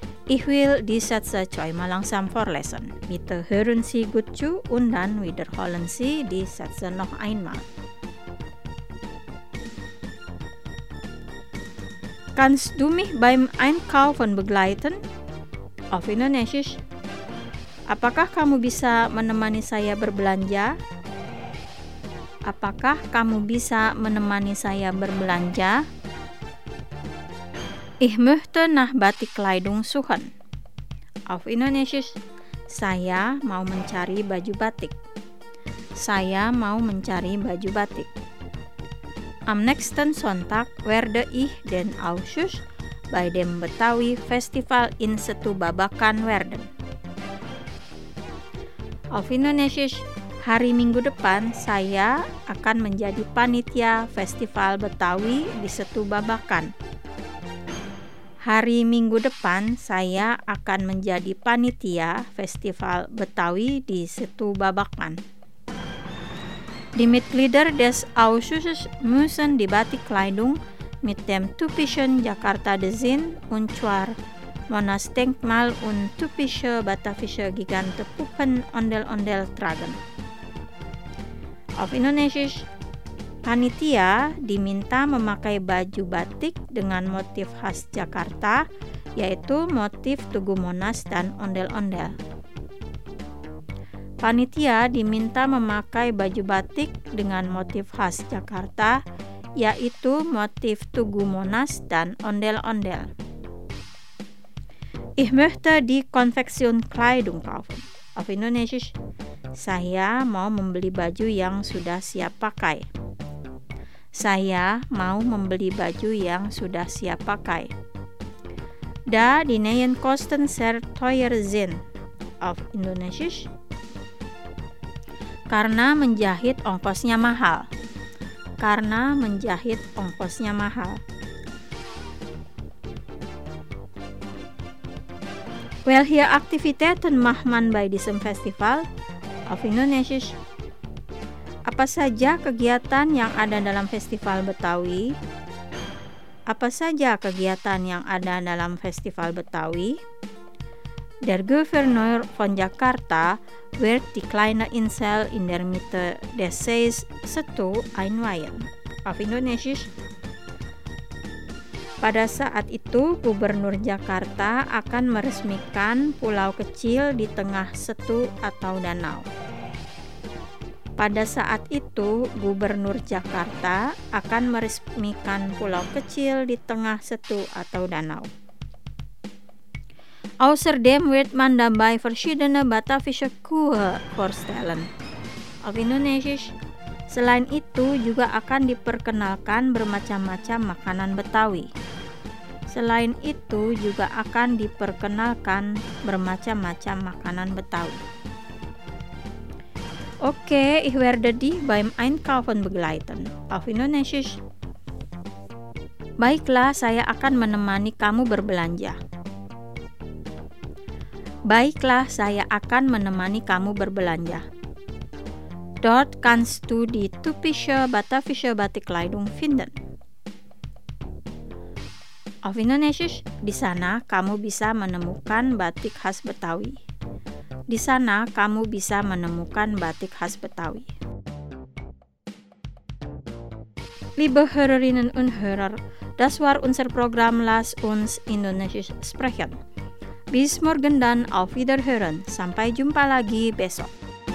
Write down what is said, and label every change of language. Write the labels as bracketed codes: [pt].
[de] Ich will die Sätze zweimal langsam vorlesen. Bitte hören Sie gut zu und dann wiederholen Sie die Sätze noch einmal. Kannst du mich beim Einkaufen begleiten? Auf Indonesisch. [id] Apakah kamu bisa menemani saya berbelanja? Apakah kamu bisa menemani saya berbelanja? [de] Ich möchte nach Batikkleidung suchen. Auf Indonesisch. [id] Saya mau mencari baju batik. Saya mau mencari baju batik. [de] Am nächsten Sonntag werde ich den Ausschuss bei dem Betawi Festival in Setu Babakan werden. Auf Indonesisch, [id] hari Minggu depan saya akan menjadi panitia Festival Betawi di Setu Babakan. Hari Minggu depan saya akan menjadi panitia Festival Betawi di Setu Babakan. [de] Die Mitglieder des Ausschusses müssen die Batikkleidung mit dem typischen Jakarta Design und zwar Monas Denkmal und typische batavische Gigante Puppen Ondel-Ondel tragen. of Indonesia. [id] Panitia diminta memakai baju batik dengan motif khas Jakarta, yaitu motif Tugu Monas dan ondel-ondel. Panitia diminta memakai baju batik dengan motif khas Jakarta, yaitu motif Tugu Monas dan ondel-ondel. [de] Ich möchte die Konfektion Kleidung kaufen auf Indonesisch. [id] Saya mau membeli baju yang sudah siap pakai. Saya mau membeli baju yang sudah siap pakai. [de] Da die neuen Kosten sehr teuer sind auf Indonesisch. [id] Karena menjahit ongkosnya mahal. Karena menjahit ongkosnya mahal. [de] Welche Aktivitäten macht man bei diesem Festival auf Indonesisch? [id] Apa saja kegiatan yang ada dalam Festival Betawi? Apa saja kegiatan yang ada dalam Festival Betawi? [de] Der Gouverneur von Jakarta wird die kleine Insel in der Mitte des Sees Setu einweihen auf Indonesisch. [id] Pada saat itu, Gubernur Jakarta akan meresmikan pulau kecil di tengah setu atau danau. Pada saat itu, Gubernur Jakarta akan meresmikan pulau kecil di tengah setu atau danau. [de] Außerdem wird man dabei verschiedene batavische Kühe vorstellen. Auf Indonesisch. [id] Selain itu, juga akan diperkenalkan bermacam-macam makanan Betawi. Selain itu, juga akan diperkenalkan bermacam-macam makanan Betawi. [de] Oke, ich werde dich beim Einkaufen begleiten. Auf Indonesisch. [id] Baiklah, saya akan menemani kamu berbelanja. Baiklah, saya akan menemani kamu berbelanja. [de] Dort kannst du die typische batavische Batikkleidung finden. Auf Indonesisch, [id] di sana kamu bisa menemukan batik khas Betawi. Di sana kamu bisa menemukan batik khas Betawi. [de] Liebe Hörerinnen und Hörer, das war unser Programm Lass uns Indonesisch sprechen. Bis morgen dann auf Wiederhören. [id] Sampai jumpa lagi besok.